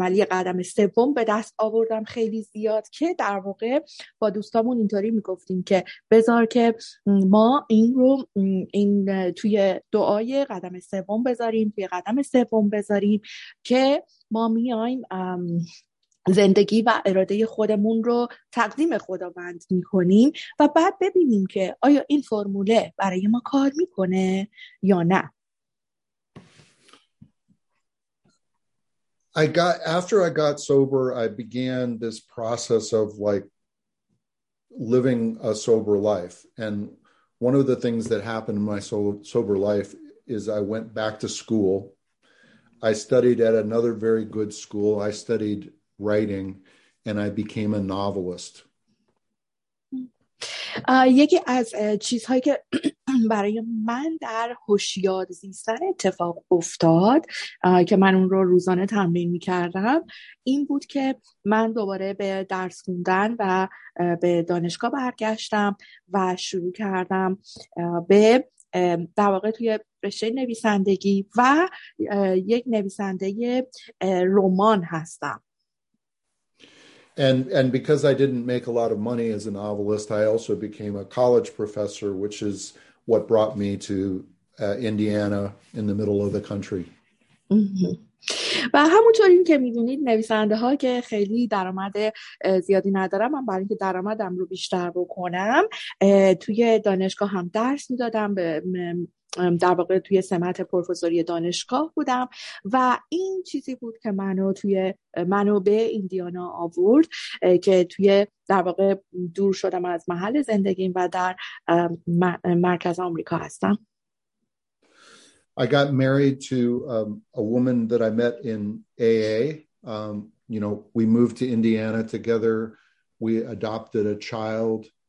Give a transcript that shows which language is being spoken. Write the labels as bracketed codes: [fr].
[fa] قدم سوم به دست آوردم خیلی زیاد، که در واقع با دوستامون اینطوری میگفتیم که بذار که ما این رو این توی دعای قدم سوم بذاریم، توی قدم سوم بذاریم که ما میایم زندگی و اراده خودمون رو تقدیم خداوند میکنیم و بعد ببینیم که آیا این فرموله برای ما کار میکنه یا نه. [en] After I got sober, I began this process of like living a sober life. And one of the things that happened in my sober life is I went back to school. I studied at another very good school. I studied writing and I became a novelist. [fa] یکی از چیزهایی که برای من در هوشیار زیستن اتفاق افتاد که من اون رو روزانه تمرین می کردم این بود که من دوباره به درس خوندن و به دانشگاه برگشتم و شروع کردم به در واقع توی رشته نویسندگی و یک نویسنده رمان هستم. [en] And because I didn't make a lot of money as a novelist, I also became a college professor, which is what brought me to Indiana in the middle of the country. [fa] و همونطور این که میدونید نویسنده ها که خیلی درآمد زیادی ندارم، من برای اینکه درآمدم رو بیشتر بکنم توی دانشگاه هم درس میدادم، در واقع توی سمت پروفسوری دانشگاه بودم و این چیزی بود که منو به ایندیانا آورد که توی در واقع دور شدم از محل زندگیم و در مرکز آمریکا هستم. [en] I got married to a woman that I met in AA. You know, we moved to Indiana together. We adopted a child.